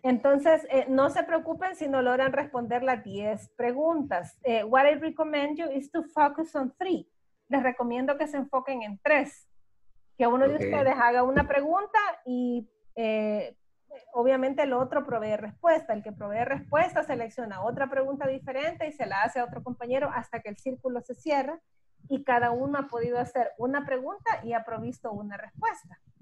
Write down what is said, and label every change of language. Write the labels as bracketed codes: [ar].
[es] Entonces, no se preocupen si no logran responder las 10 preguntas. [en] What I recommend you is to focus on 3. [es] Les recomiendo que se enfoquen en 3. Que uno de ustedes haga una pregunta y obviamente el otro provee respuesta. El que provee respuesta selecciona otra pregunta diferente y se la hace a otro compañero hasta que el círculo se cierra y cada uno ha podido hacer una pregunta y ha provisto una respuesta.